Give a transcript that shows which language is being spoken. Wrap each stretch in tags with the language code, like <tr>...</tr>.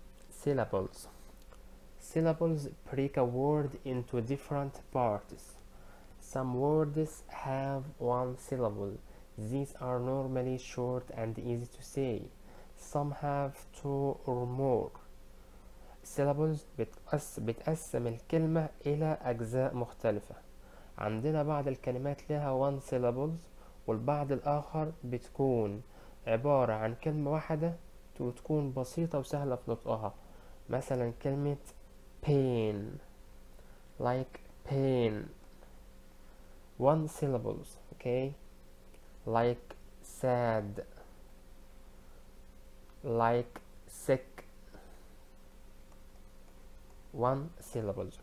<en>Syllables. Syllables break a word into different parts. Some words have one syllable. These are normally short and easy to say. Some have two or more syllables.</en> <ar>بتقسم الكلمة إلى أجزاء مختلفة. عندنا بعض الكلمات لها one syllables والبعض الآخر بتكون عبارة عن كلمة واحدة وتكون بسيطة وسهلة في نطقها. مثلا كلمة</ar> <en>pain like pain one syllables. Okay, like sad, like sick, one syllables.</en>